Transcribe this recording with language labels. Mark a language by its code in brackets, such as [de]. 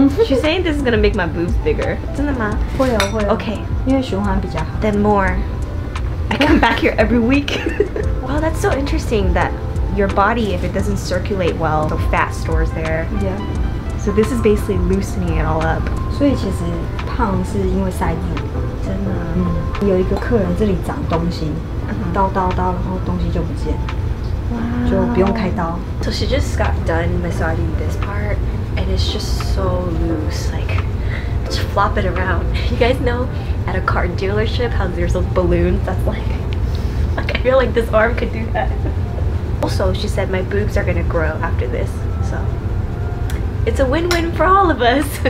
[en] She's saying this is gonna make my boobs bigger. [zh] 真的吗？会哦，会哦。 [en] Okay. [zh] 因为循环比较好。 [en] Then more. I come back here every week. Wow, that's so interesting that your body, if it doesn't circulate well, the fat stores there. Yeah. So this is basically loosening it all up. [zh] 所以其实胖是因为塞住。真的。有一个客人这里长东西，刀刀刀，然后东西就不见。 [en] Wow. [zh] 就不用开刀。 [en] So she just got done massaging this part, and it's just so loose, like just flop it around. You guys know at a car dealership how there's those balloons that's like I feel like this arm could do that. Also, she said my boobs are gonna grow after this, so it's a win-win for all of us.